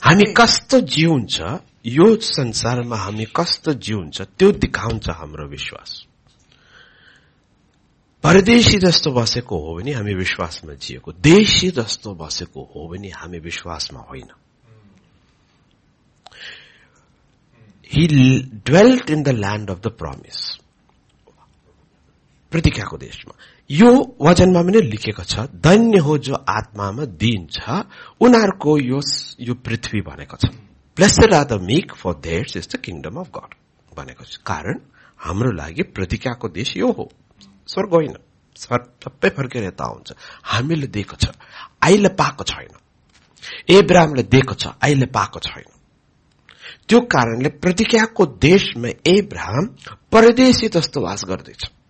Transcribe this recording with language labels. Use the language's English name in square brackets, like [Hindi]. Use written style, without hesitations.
[Nepali] हामी कस्तो जिउन्छ यो संसारमा, हामी कस्तो जिउन्छ त्यो देखाउँछ हाम्रो विश्वास। परदेशी जस्तो बसेको हो भने हामी विश्वासमा जिएको, देशी जस्तो बसेको हो भने हामी विश्वासमा होइन। [English] He dwelt in the land of the promise, [Nepali] प्रतिज्ञाको देशमा। यो वचनमा पनि लेखेको छ, धन्य हो जो आत्मामा दिन्छ उनीहरूको यो पृथ्वी भनेको छ। [English] Blessed are the meek, for theirs is the kingdom of God [Nepali] भनेको छ। कारण हाम्रो लागि प्रतिज्ञाको देश यो हो, स्वर्ग होइन, सबै फर्केर यता आउँछ। हामीले दिएको छ, अहिले पाएको छैन। एब्राहमले दिएको छ, अहिले पाएको छैन। त्यो कारणले प्रतिज्ञाको देशमा एब्राहम परदेशी जस्तो वास गर्दैछ।